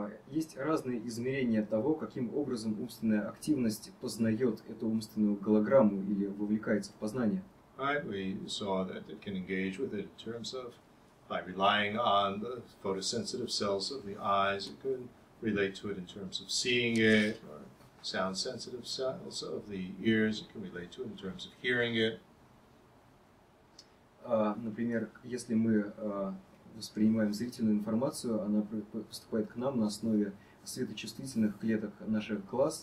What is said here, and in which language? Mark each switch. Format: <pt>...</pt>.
<ru>Есть разные измерения того, каким образом умственная активность познает эту умственную голограмму или вовлекается в познание.</ru> <en>Right, we saw that it can engage with it in terms of by relying on the photosensitive cells of the eyes, it could relate to it in terms of seeing it, or sound sensitive cells of the ears, it can relate to it in terms of hearing it.</en> <ru>Например, если мы воспринимаем зрительную информацию, она поступает к нам на основе светочувствительных клеток наших глаз.</ru>